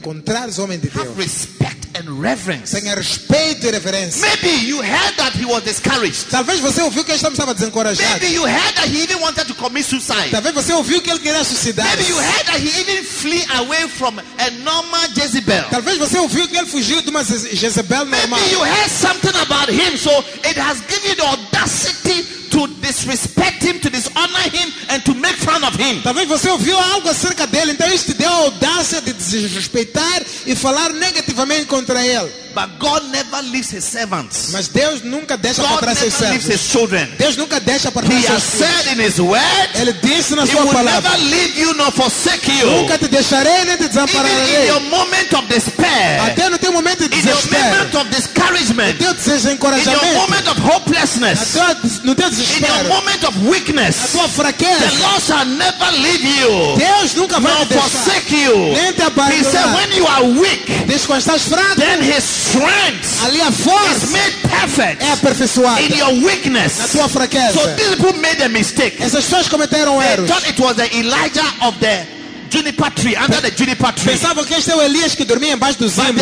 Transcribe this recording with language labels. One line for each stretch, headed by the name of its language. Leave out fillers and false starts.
Portuguese: Encontrares homem de Deus.
English: Have respect and reverence.
Portuguese: Tenha respeito e reverência.
English: Maybe you heard that he was discouraged.
Portuguese: Talvez você ouviu que ele estava desencorajado.
English: Maybe you heard that he even wanted to commit suicide.
Portuguese: Talvez você ouviu que ele queria suicidar.
English: Maybe you heard that he even flee away from a normal Jezebel.
Portuguese: Talvez você ouviu que ele fugiu de uma Jezebel normal.
English: Maybe you heard something about him, so it has given you the audacity to disrespect him, to dishonor him, and to make fun of him.
Portuguese: Talvez você ouviu algo acerca dele, então isso te deu a audácia de desrespeitar e falar negativamente contra ele.
English: But God never leaves his servants.
Portuguese: Mas Deus nunca deixa
English: God
Portuguese: para trás seus servos.
English: Leaves his children.
Portuguese: Deus nunca deixa para trás
English: he
Portuguese: seus filhos.
English: He has said in his word.
Portuguese: Ele disse na
English: he
Portuguese: sua
English: will
Portuguese: palavra.
English: Never leave you nor forsake you.
Portuguese: Nunca te deixarei nem te desampararei.
English: Even in your moment of despair.
Portuguese: Até no teu momento de desespero.
English: In your moment of discouragement.
Portuguese: No teu desencorajamento.
English: In your moment of hopelessness.
Portuguese: No teu desespero.
English: In your moment of weakness.
Portuguese: Na tua fraqueza.
English: The Lord shall never leave you.
Portuguese: Deus nunca vai
English: nor
Portuguese: te deixar.
English: Nor forsake you.
Portuguese: Nem te abandonar.
English: He said when you are weak.
Portuguese: Diz quando estás fraco.
English: Then his strength
Portuguese: ali a força
English: is made perfect
Portuguese: é aperfeiçoada
English: in your weakness
Portuguese: na tua fraqueza.
English: So these people made a mistake.
Portuguese: Essas pessoas cometeram
English: they
Portuguese: erros.
English: Thought it was the Elijah of the juniper tree under the juniper tree.
Portuguese: Pensavam que este é o Elias que dormia embaixo do zimbro.